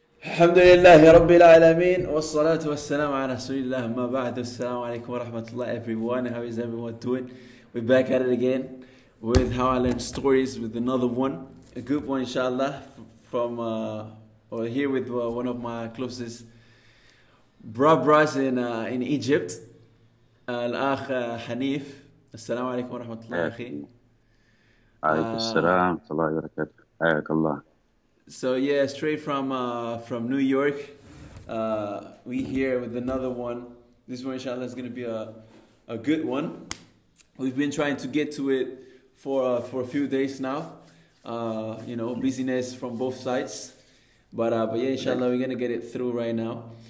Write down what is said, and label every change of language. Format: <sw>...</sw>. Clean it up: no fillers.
<ar>الحمد لله رب العالمين والصلاة والسلام على رسول الله ما بعد. السلام عليكم ورحمة الله</ar> <en>everyone. How is everyone doing? We're back at it again with how I learned stories with another one, a good one inshallah, from or here with one of my closest brothers in Egypt,</en> <ar>الأخ حنيف. السلام عليكم ورحمة الله أخي. عليكم السلام ورحمة الله وبركاته. حياك الله.</ar> <en>So yeah, straight from New York, we here with another one. This one, inshallah, is gonna be a good one. We've been trying to get to it for a few days now. You know, busyness from both sides, but yeah, inshallah, we're gonna get it through right now.</en>